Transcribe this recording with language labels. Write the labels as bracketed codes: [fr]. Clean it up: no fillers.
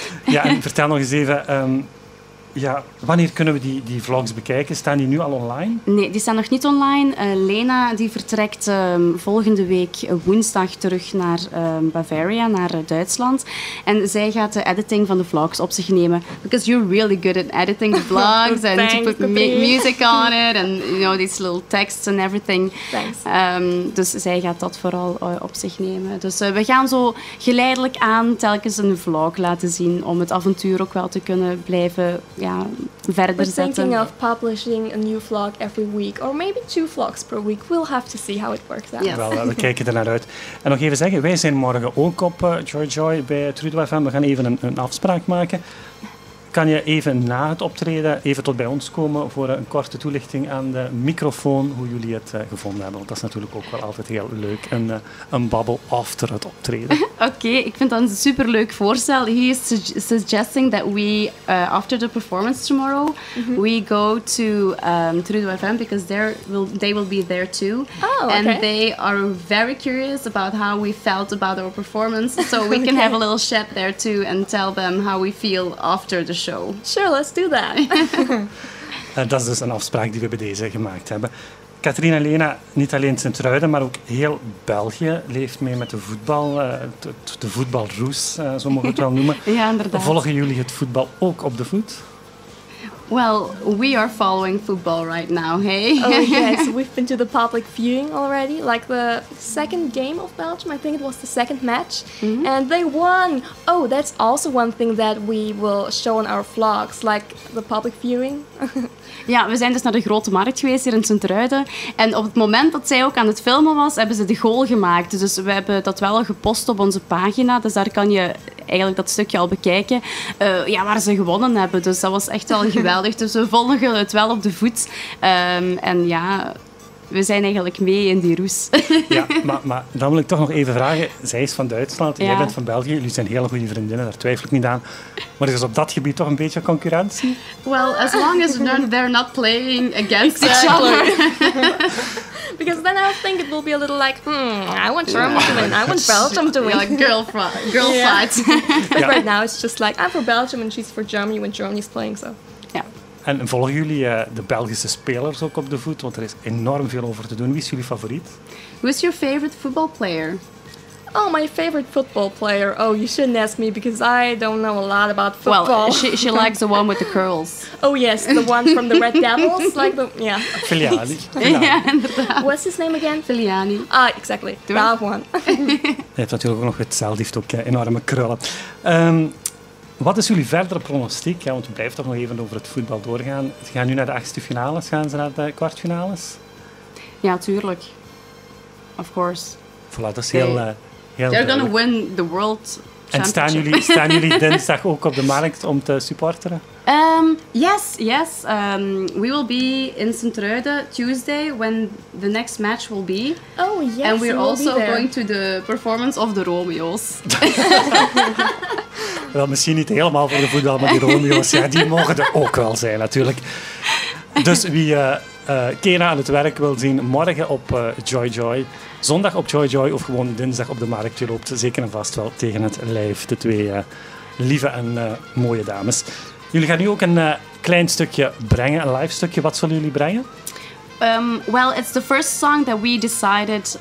[nl] Ja, en vertel nog eens even... Ja, wanneer kunnen we die vlogs bekijken? Staan die nu al online? Nee, die staan nog niet online. Lena die vertrekt volgende week woensdag terug naar Bavaria, naar Duitsland. En zij gaat de editing van de vlogs op zich nemen. [en] Because you're really good at editing the vlogs. Thanks, and to put music on it. And you know, these little texts and everything. [nl] Dus zij gaat dat vooral op zich nemen. Dus we gaan zo geleidelijk aan telkens een vlog laten zien. Om het avontuur ook wel te kunnen blijven... Ja, verder zetten. [en] We're thinking of publishing a new vlog every week. Or maybe 2 vlogs per week. We'll have to see how it works out. Yes. [nl] Wel, we kijken er naar uit. En nog even zeggen, wij zijn morgen ook op Joy bij Trudeau FM. We gaan even een afspraak maken. Kan je even na het optreden even tot bij ons komen voor een korte toelichting aan de microfoon, hoe jullie het gevonden hebben. Want dat is natuurlijk ook wel altijd heel leuk. Een babbel after het optreden. Oké, ik vind dat een superleuk voorstel. [en] He is suggesting that we, after the performance tomorrow, mm-hmm. we go to Trudeau FM, because they will be there too. Oh, okay. And they are very curious about how we felt about our performance. So we can have a little chat there too and tell them how we feel after the show. Sure, let's do that. [nl] Dat is dus een afspraak die we bij deze gemaakt hebben. Catherine en Lena, niet alleen Sint-Truiden, maar ook heel België leeft mee met de voetbal. De voetbalroes, zo mogen we het wel noemen. Ja, inderdaad. Volgen jullie het voetbal ook op de voet? [en] Well, we are following football right now, hey? Oh, yes. We've been to the public viewing already. Like the second game of Belgium, I think it was the second match. Mm-hmm. And they won. Oh, that's also one thing that we will show on our vlogs. Like the public viewing. [nl] Ja, we zijn dus naar de Grote Markt geweest hier in Sint-Truiden. En op het moment dat zij ook aan het filmen was, hebben ze de goal gemaakt. Dus we hebben dat wel gepost op onze pagina. Dus daar kan je eigenlijk dat stukje al bekijken. Ja, waar ze gewonnen hebben. Dus dat was echt wel geweldig. Dus we volgen het wel op de voet. En ja, we zijn eigenlijk mee in die roes. Ja, maar dan wil ik toch nog even vragen. Zij is van Duitsland, ja. Jij bent van België. Jullie zijn hele goede vriendinnen, daar twijfel ik niet aan. Maar is op dat gebied toch een beetje concurrentie? [en] Well, as long as they're not playing against each other. Because then I think it will be a little like, I want Germany to win, I want Belgium to win. Like girl yeah. fight. But yeah. Right now it's just like, I'm for Belgium and she's for Germany when Germany's playing, so. [nl] En volgen jullie de Belgische spelers ook op de voet? Want er is enorm veel over te doen. Wie is jullie favoriet? [en] Who is your favorite football player? Oh, my favorite football player. Oh, you shouldn't ask me because I don't know a lot about football. Well, she likes the one with the curls. Oh, yes, the one from the Red Devils. Like the, yeah. Filiani. Yeah, what's his name again? Filiani. Ah, exactly. That one. [nl] Hij heeft natuurlijk ook nog hetzelfde. Heeft ook enorme krullen. Wat is jullie verdere pronostiek? Ja, want we blijven toch nog even over het voetbal doorgaan. Ze gaan nu naar de 8e finales. Gaan ze naar de kwartfinales? Ja, tuurlijk. [en] Of course. [nl] Voilà, dat is heel duidelijk. [en] They're gonna win the world championship. [nl] En staan jullie dinsdag ook op de markt om te supporteren? [en] Yes. We will be in Sint-Truiden Tuesday when the next match will be. Oh, yes. And we're we'll also going to the performance of the Romeos. [nl] Wel, misschien niet helemaal voor de voetbal, maar die Romeos, ja, die mogen er ook wel zijn, natuurlijk. Dus wie Kena aan het werk wil zien, morgen op Joy, zondag op Joy, of gewoon dinsdag op de markt, je loopt zeker en vast wel tegen het lijf, de twee lieve en mooie dames. Jullie gaan nu ook een klein stukje brengen, een live stukje. Wat zullen jullie brengen? [en] Well, it's the first song that we decided...